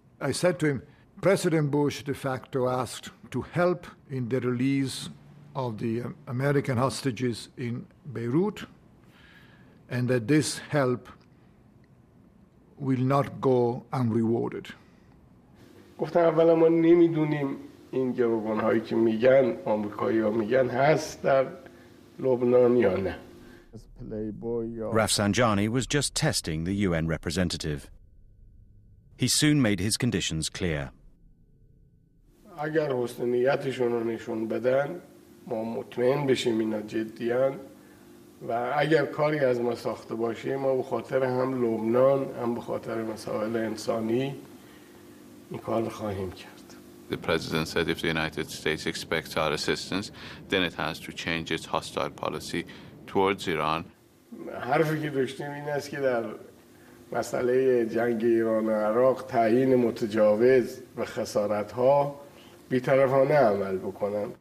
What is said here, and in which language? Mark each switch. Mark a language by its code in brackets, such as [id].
[en] I said to him, President Bush de facto asked to help in the release of the American hostages in Beirut, and that this help will not go unrewarded. [fa] گفتم اولا ما نمیدونیم این جوابانهایی که میگن آمریکایی‌ها میگن هست در لبنان یا نه. [en] Rafsanjani was just testing the UN representative. He soon made his conditions clear. [fa] اگر حسن نیتشون رو نشون بدن ما مطمئن بشیم اینا جدیان و اگر کاری از ما ساخته باشه ما به خاطر هم لبنان هم به خاطر مسائل انسانی این کار رو خواهیم کرد. [en] The president said if the United States expects our assistance then it has to change its hostile policy towards Iran. [fa] حرفی که داشتیم این است که در مسئله جنگ ایران و عراق تعیین متجاوز و خسارت ها بی‌طرفانه عمل بکنن.